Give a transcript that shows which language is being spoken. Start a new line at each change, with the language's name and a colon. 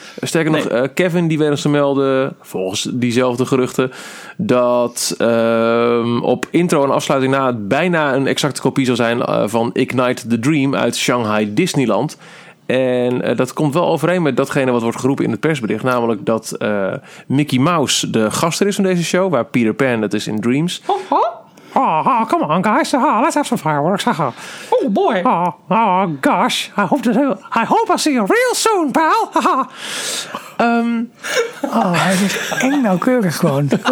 Dutch: Sterker nog, Kevin die werd ons te melden, volgens diezelfde geruchten, dat op intro en afsluiting na bijna een exacte kopie zal zijn van Ignite the Dream uit Shanghai Disneyland. En dat komt wel overeen met datgene wat wordt geroepen in het persbericht. Namelijk dat Mickey Mouse de gast er is van deze show. Waar Peter Pan, dat is in Dreams.
English: Oh, come on guys. Let's have some fireworks. Oh boy. Oh gosh. I hope I'll see you real soon, pal.
Dutch: Hij is eng nauwkeurig gewoon.